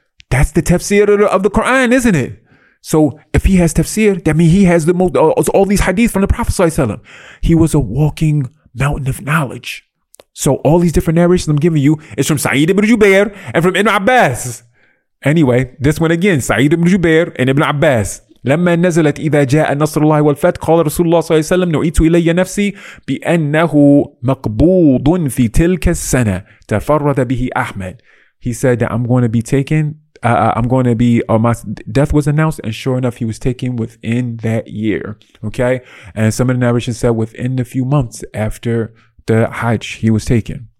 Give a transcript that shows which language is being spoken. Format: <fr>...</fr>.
<en>That's the tafsir of the Quran, isn't it? So if he has tafsir, that means he has the most, all these hadith from the Prophet ﷺ. He was a walking mountain of knowledge. So all these different narrations I'm giving you is from Sa'id ibn Jubair and from Ibn Abbas. Anyway, this one again, Sa'id ibn Jubair and Ibn Abbas.</en> <ar>لما نزلت إذا جاء نصر الله والفتح قال رسول الله صلى الله عليه وسلم نعيت إلي نفسي بأنه مقبوض في تلك السنة تفرد به أحمد.</ar> <en>He said that I'm going to be taken. My death was announced, and sure enough, he was taken within that year. Okay, and some of the narrations said within a few months after the Hajj, he was taken.</en>